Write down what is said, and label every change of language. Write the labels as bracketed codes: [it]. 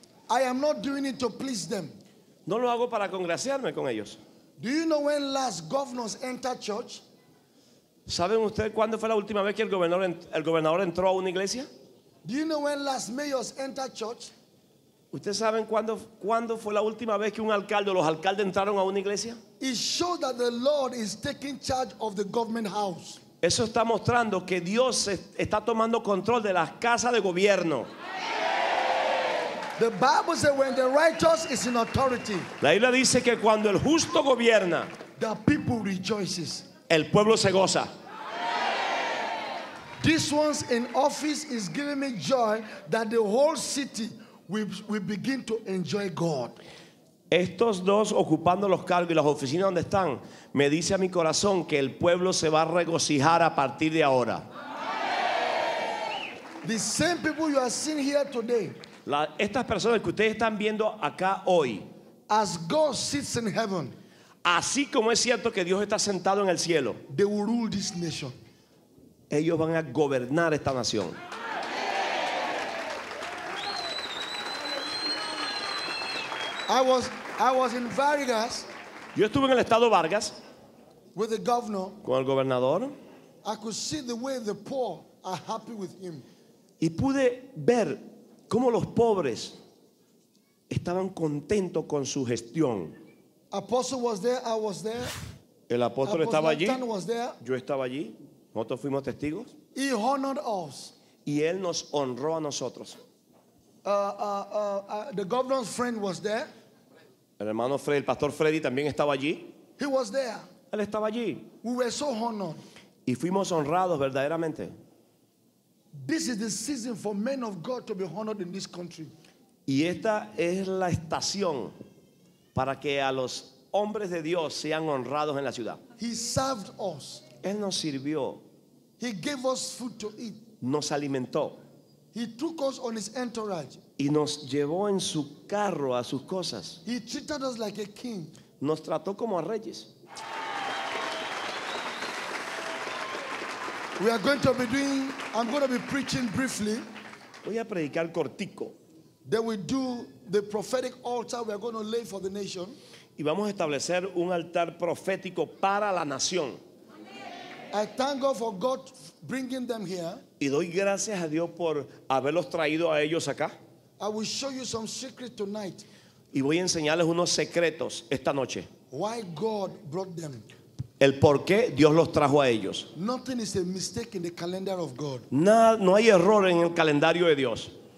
[en] I am not doing it to please them. [es] No lo hago para congraciarme con ellos. [en] Do you know when last governors entered church? [es] ¿Saben ustedes cuándo fue la última vez que el gobernador entró a una iglesia? [en] Do you know when last mayors entered church? [es] ¿Ustedes saben cuándo fue la última vez que un alcalde o los alcaldes entraron a una iglesia? [en] It shows that the Lord is taking charge of the government house. [es] Eso está mostrando que Dios está tomando control de las casas de gobierno. [en] The Bible says when the righteous is in authority. [es] La Biblia dice que cuando el justo gobierna, [en] the people rejoices. [es] El pueblo se goza. [en] This one's in office is giving me joy that the whole city will begin to enjoy God. [es] Estos dos ocupando los cargos y las oficinas donde están, me dice a mi corazón que el pueblo se va a regocijar a partir de ahora. [en] The same people you are seeing here today. [es] Estas personas que ustedes están viendo acá hoy. [en] As God sits in heaven. [es] Así como es cierto que Dios está sentado en el cielo. [en] They will rule this nation. [es] Ellos van a gobernar esta nación. [en] I was I was in Vargas. [es] Yo estuve en el estado Vargas. [en] With the governor. [es] Con el gobernador. [en] I could see the way the poor are happy with him. [es] Y pude ver cómo los pobres estaban contentos con su gestión. [en] Apostle was there, I was there. [es] El apóstol estaba allí. [en] Was there. [es] Yo estaba allí. Nosotros fuimos testigos. [en] He honored us. [es] Y él nos honró a nosotros. [en] The governor's friend was there. [es] El hermano Freddy, el pastor Freddy también estaba allí. [en] He was there. [es] Él estaba allí. [en] We were so honored. [es] Y fuimos honrados verdaderamente. [en] This is the season for men of God to be honored in this country. [es] Y esta es la estación para que a los hombres de Dios sean honrados en la ciudad. [en] He served us. [es] Él nos sirvió. [en] He gave us food to eat. [es] Nos alimentó. [en] He took us on his entourage. [es] Y nos llevó en su carro a sus cosas. [en] He treated us like a king. [es] Nos trató como a reyes. [en] We are going to be doing. I'm going to be preaching briefly. [es] Voy a predicar cortico. [en] Then we do the prophetic altar we are going to lay for the nation. [es] Y vamos a establecer un altar profético para la nación. [en] I thank God for God bringing them here. [es] Y doy gracias a Dios por haberlos traído a ellos acá. [en] I will show you some secrets tonight. [es] Y voy a enseñarles unos secretos esta noche. [en] Why God brought them. [es] El por qué Dios los trajo a ellos. [en] Nothing is a mistake in the calendar of God. [es] No hay error en el calendario de Dios.